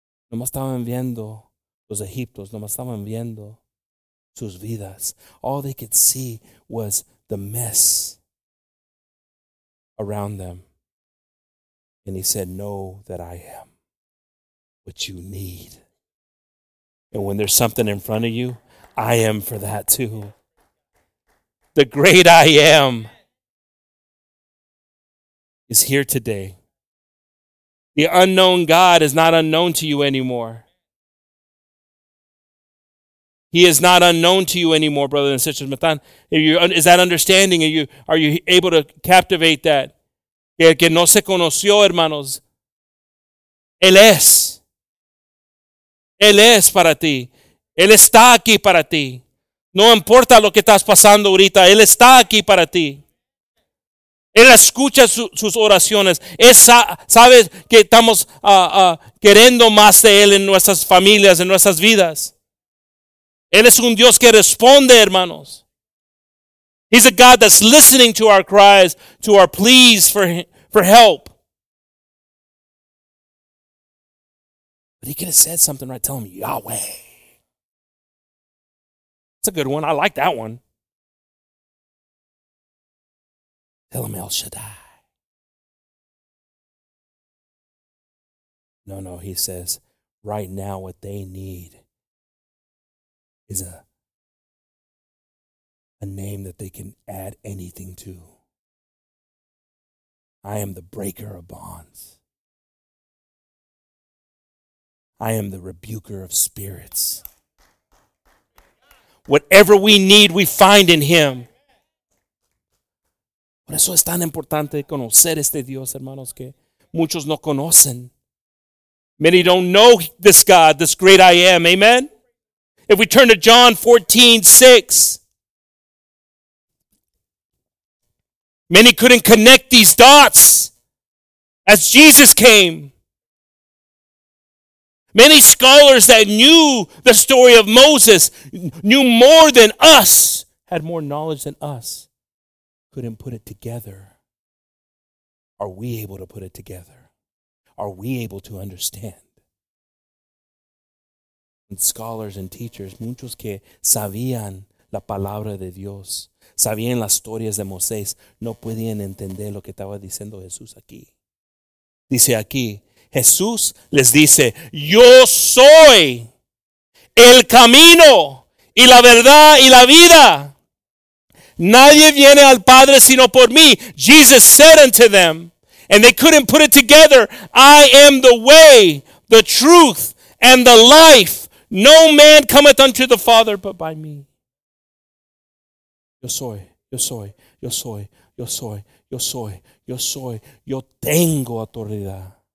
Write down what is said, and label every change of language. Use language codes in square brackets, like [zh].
[es] Nomás estaban viendo los egiptos, nomás estaban viendo sus vidas. [en] All they could see was the mess around them. And he said, know that I am what you need. And when there's something in front of you, I am for that too. The great I am is here today. The unknown God is not unknown to you anymore. He is not unknown to you anymore, brothers and sisters. Matan, is that understanding? Are you able to captivate that? [es] El que no se conoció, hermanos. Él es. Él es para ti. Él está aquí para ti. No importa lo que estás pasando ahorita. Él está aquí para ti. Él escucha sus oraciones. Sabe que estamos queriendo más de Él en nuestras familias, en nuestras vidas. Él es un Dios que responde, hermanos. [en] He's a God that's listening to our cries, to our pleas for help. But he could have said something right, tell him Yahweh. That's a good one. I like that one. Tell him El Shaddai. No, he says, right now what they need is a name that they can add anything to. I am the breaker of bonds. I am the rebuker of spirits. Whatever we need, we find in him. [es] Por eso es tan importante conocer este Dios, hermanos, que muchos no conocen. [en] Many don't know this God, this great I am. Amen? If we turn to John 14:6, many couldn't connect these dots as Jesus came. Many scholars that knew the story of Moses, knew more than us, had more knowledge than us. Couldn't put it together. Are we able to put it together? Are we able to understand? And scholars and teachers, [es] muchos que sabían la palabra de Dios, sabían las historias de Moisés, no podían entender lo que estaba diciendo Jesús aquí. Dice aquí, Jesús les dice, yo soy el camino y la verdad y la vida. Nadie viene al Padre sino por mí. [en] Jesus said unto them, and they couldn't put it together, I am the way, the truth, and the life. No man cometh unto the Father but by me. [es] Yo soy, yo soy, yo soy, yo soy, yo soy, yo soy, yo tengo autoridad.